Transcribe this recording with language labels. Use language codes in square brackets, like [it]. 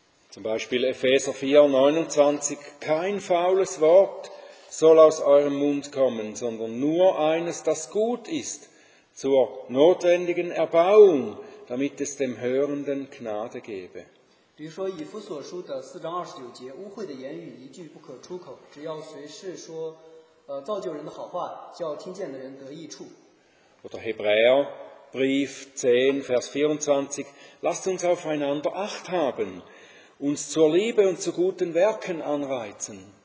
[de] Zum Beispiel Epheser 4:29, kein faules Wort soll aus eurem Mund kommen, sondern nur eines, das gut ist, zur notwendigen Erbauung, damit es dem Hörenden Gnade gebe. [zh] 比如说以弗所书的4:29，污秽的言语一句不可出口，只要随时说造就人的好话，叫听见的人得益处。 [de] Oder Hebräer Brief 10:24, lasst uns aufeinander acht haben, uns zur Liebe und zu guten Werken anreizen.